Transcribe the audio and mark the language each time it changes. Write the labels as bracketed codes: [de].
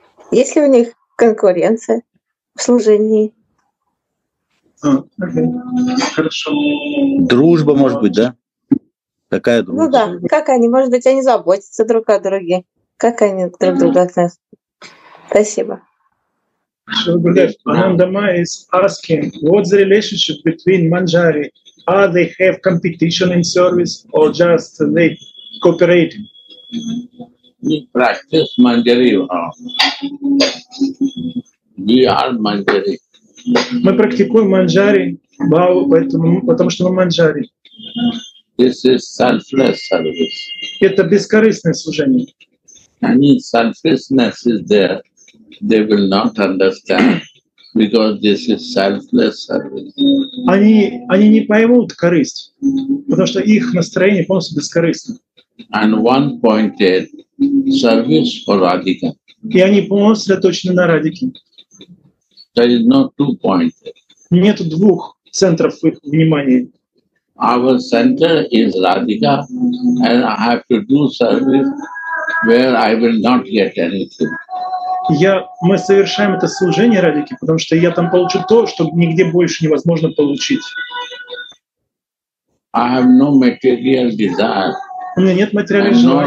[ru] Есть ли у них конкуренция в служении? Дружба, может быть, да? Такая дружба. Ну да, как они, может быть, они заботятся друг о друге. Как они друг к другу относятся? Спасибо. [en] Ananda Ma is asking, what's the relationship between Manjari? Are they have competition in service or just they cooperate? We practice Manjari. We are Manjari. [ru] Мы практикуем Manjari, потому что мы Manjari. [en] This is selfless service. [ru] Это бескорыстное служение. [en] Any selfishness is there. They will not understand, because this is selfless service. [ru] Они не поймут корысть, потому что их настроение полностью бескорыстно. [en] And one point is service for Radhika. [ru] И они полностью заточены на Радике. [en] There is no two points. [ru] Нет двух центров их внимания. [en] Our center is Radhika, and I have to do service where I will not get anything. [ru] Мы совершаем это служение Радике, потому что я там получу то, что нигде больше невозможно получить. [en] I have no material desire. [ru] У меня нет материальных